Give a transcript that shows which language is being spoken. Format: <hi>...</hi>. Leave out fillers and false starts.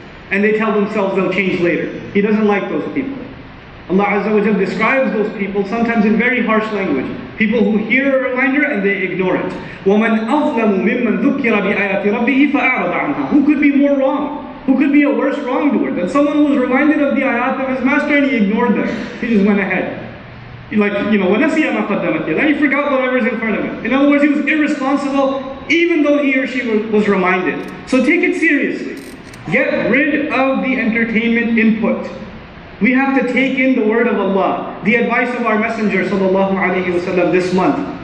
<en>And they tell themselves they'll change later. He doesn't like those people. Allah Azza wa Jalla describes those people sometimes in very harsh language. People who hear a reminder and they ignore it.</en> <ar>وَمَنْ أَظْلَمُ مِمَّنْ ذُكِّرَ بِآيَاتِ رَبِّهِ فَأَعْرَضَ عَنْهَا.</ar> <en>Who could be more wrong? Who could be a worse wrongdoer than someone who was reminded of the ayat of his master and he ignored them? He just went ahead.</en> <ar>Like, وَنَسِيَ مَا قَدَّمَتْ يَدَا.</ar> <en>He forgot whatever's in front of him. In other words, he was irresponsible even though he or she was reminded. So take it seriously. Get rid of the entertainment input. We have to take in the word of Allah, the advice of our Messenger sallallahu alaihi wasallam this month.</en>